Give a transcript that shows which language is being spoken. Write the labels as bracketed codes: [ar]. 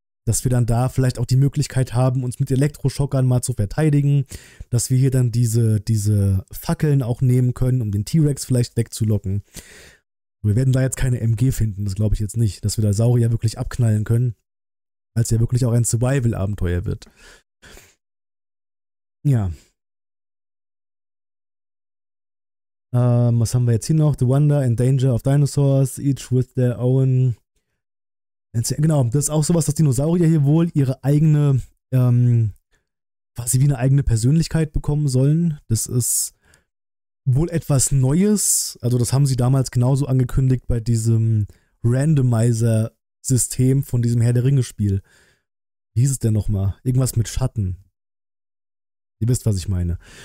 [de] dass wir dann da vielleicht auch die Möglichkeit haben, uns mit Elektroschockern mal zu verteidigen, dass wir hier dann diese Fackeln auch nehmen können, um den T-Rex vielleicht wegzulocken. Wir werden da jetzt keine MG finden, das glaube ich jetzt nicht, dass wir da Saurier wirklich abknallen können, als ja wirklich auch ein Survival-Abenteuer wird. Ja. Was haben wir jetzt hier noch? [en] The Wonder and Danger of Dinosaurs, each with their own. [de] Genau, das ist auch sowas, dass Dinosaurier hier wohl ihre eigene, quasi wie eine eigene Persönlichkeit bekommen sollen. Das ist wohl etwas Neues. Also das haben sie damals genauso angekündigt bei diesem Randomizer-System von diesem Herr-der-Ringe-Spiel. Wie hieß es denn nochmal? Irgendwas mit Schatten. Ihr wisst, was ich meine.